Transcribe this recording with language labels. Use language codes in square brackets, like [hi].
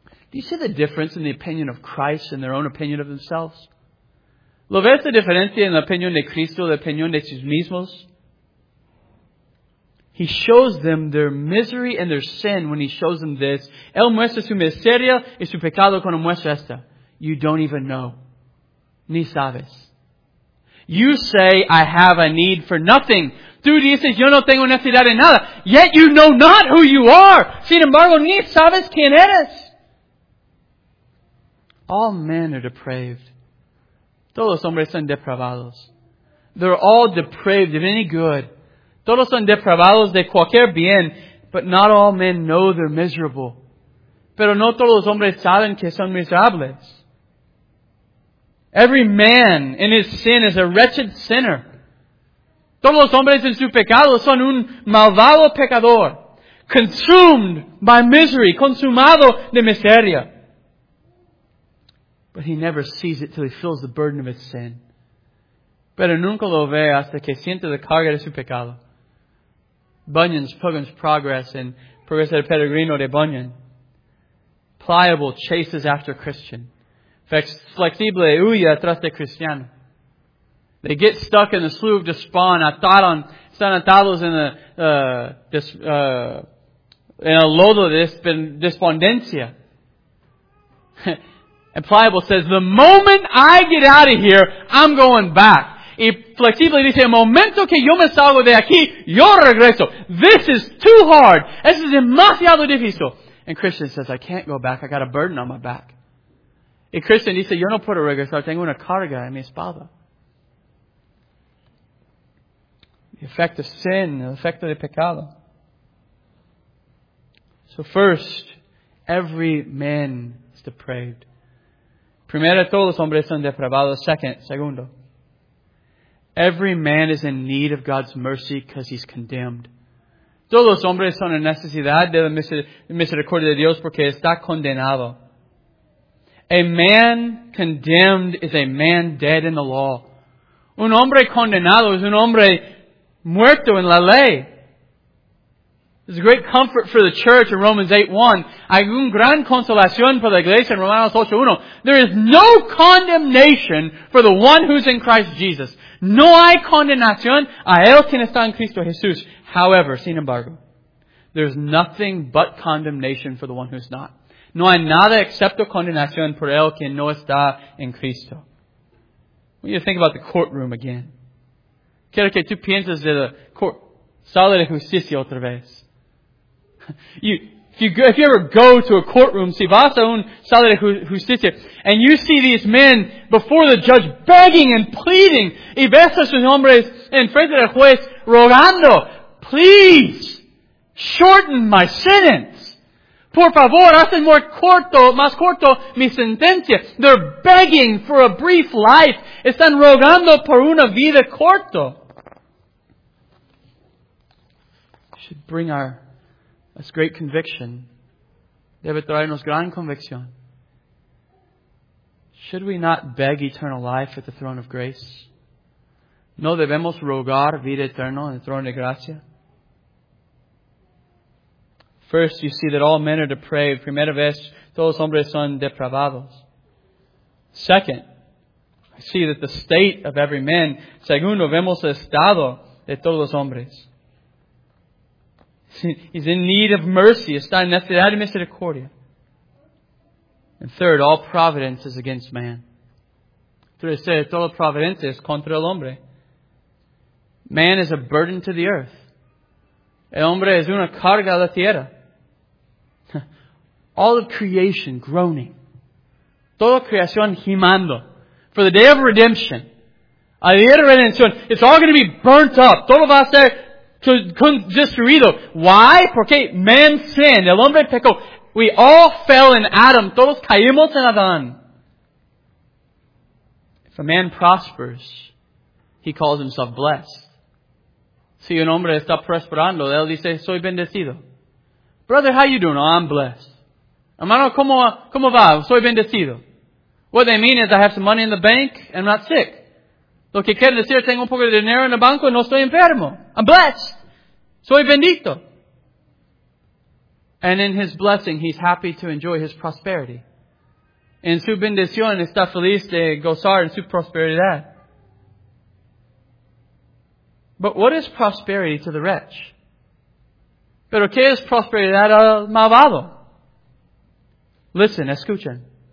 [en] Do you see the difference in the opinion of Christ and their own opinion of themselves? [es] ¿Lo ves la diferencia en la opinión de Cristo, la opinión de sus mismos? [en] He shows them their misery and their sin when he shows them this. [es] Él muestra su miseria y su pecado cuando muestra esta. [en] You don't even know. [es] Ni sabes. [en] You say, I have a need for nothing. [es] Tú dices, yo no tengo necesidad de nada. [en] Yet you know not who you are. [es] Sin embargo, ni sabes quién eres. [en] All men are depraved. [es] Todos hombres son depravados. [en] They're all depraved of any good. [es] Todos son depravados de cualquier bien. [en] But not all men know they're miserable. [es] Pero no todos hombres saben que son miserables. [en] Every man in his sin is a wretched sinner. [es] Todos los hombres en su pecado son un malvado pecador. [en] Consumed by misery. [es] Consumado de miseria. [en] But he never sees it till he feels the burden of his sin. [es] Pero nunca lo ve hasta que siente la carga de su pecado. [en] Bunyan's Pilgrim's Progress and Progreso de Peregrino de Bunyan. Pliable chases after Christian. [es] Flexible huye tras de cristiano. [en] They get stuck in the slough of despond, [es] están atados en el lodo de despondencia. [en] And Pliable says, the moment I get out of here, I'm going back. [es] y flexible dice, el momento que yo me salgo de aquí, yo regreso. [en] This is too hard. [es] Eso es demasiado difícil. [en] And Christian says, I can't go back. I got a burden on my back. [es] Y Christian dice, yo no puedo regresar. Tengo una carga en mi espalda. El efecto de sin, el efecto de pecado. [en] So first, every man is depraved. [es] Primero, todos los hombres son depravados. Segundo, [en] every man is in need of God's mercy because he's condemned. [es] Todos los hombres son en necesidad de la misericordia de Dios porque está condenado. [en] A man condemned is a man dead in the law. [es] Un hombre condenado es un hombre muerto en la ley. [en] It's a great comfort for the church in Romans 8:1. [es] Hay un gran consolación para la iglesia en Romanos 8:1. [en] There is no condemnation for the one who's in Christ Jesus. [es] No hay condenación a él quien está en Cristo Jesús. [en] However, [es] sin embargo, [en] there's nothing but condemnation for the one who's not. [es] No hay nada excepto condenación por él quien no está en Cristo. [en] I want you to think about the courtroom again. [es] Quiero que tú pienses de la sala de justicia otra vez. [en] If you ever go to a courtroom, [es] si vas a un sala de justicia, [en] and you see these men before the judge begging and pleading, [es] y ves a sus hombres en frente del juez rogando, [en] please, shorten my sentence. [es] Por favor, hacen más corto mi sentencia. [en] They're begging for a brief life. [es] Están rogando por una vida corta. [en] Should bring us great conviction. [es] Debe traernos gran convicción. [en] Should we not beg eternal life at the throne of grace? [es] No debemos rogar vida eterna en el trono de gracia. [en] First, you see that all men are depraved. [es] Primera vez, todos los hombres son depravados. [en] Second, I see that the state of every man. [es] Segundo, vemos el estado de todos los hombres. [en] He's in need of mercy. [es] Está en necesidad de misericordia. [en] And third, all providence is against man. [es] Tercero, toda providencia es contra el hombre. [en] Man is a burden to the earth. [es] El hombre es una carga a la tierra. [en] All of creation groaning. [es] Toda creación gimando. [en] For the day of redemption. [es] A día de redención. [en] It's all going to be burnt up. [es] Todo va a ser destruido. [en] Why? [es] Porque [en] man sinned. [es] El hombre pecó. [en] We all fell in Adam. [es] Todos caímos en Adán. [en] If a man prospers, he calls himself blessed. [es] Si un hombre está prosperando, él dice, soy bendecido. [en] Brother, how you doing? Oh, I'm blessed. [es] Hermano, ¿cómo va? Soy bendecido. [en] What they mean is I have some money in the bank and I'm not sick. [es] Lo que quiere decir, tengo un poco de dinero en el banco y no estoy enfermo. [en] I'm blessed. [es] Soy bendito. [en] And in his blessing, he's happy to enjoy his prosperity. [es] En su bendición, está feliz de gozar en su prosperidad. [en] But what is prosperity to the wretch? [es] Pero ¿qué es prosperidad al malvado? [en] Listen, [es] escuchen.